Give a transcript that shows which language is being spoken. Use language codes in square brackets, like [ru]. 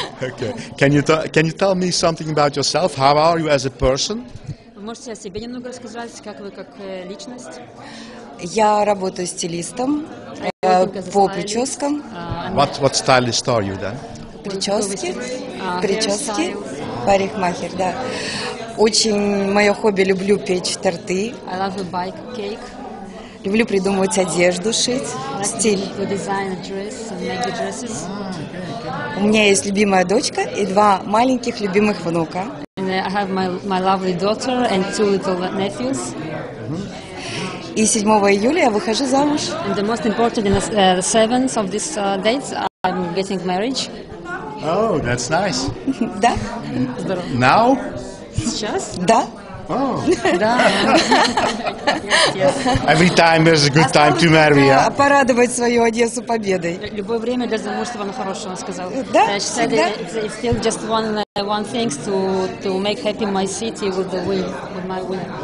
[en] Okay, can you tell me something about yourself? How are you as a person? [ru] Вы можете о себе немного рассказать, как вы как личность? Я работаю стилистом по прическам. [en] What stylist are you then? [ru] Прически, парикмахер, да. Очень мое хобби, люблю печь торты. [en] I love bake cake. [ru] Люблю придумывать одежду, шить, [en] like [ru] стиль. [en] To design a dress and make the dresses. [ru] У меня есть любимая дочка и два маленьких любимых внука. [en] And I have my lovely daughter and two little nephews. [ru] И 7 июля я выхожу замуж. [en] And the most important is the 7th of this date, I'm getting married. Oh, that's nice. [ru] Да. Здорово. [en] Now? [ru] Сейчас? Да. Да. [en] Every time is a good time to marry, а? [ru] Порадовать свою Одессу победой. Любое время для замужества, она хорошего сказала. Да, всегда. [en] It's still just one thing to make happy my city with the win, with my win.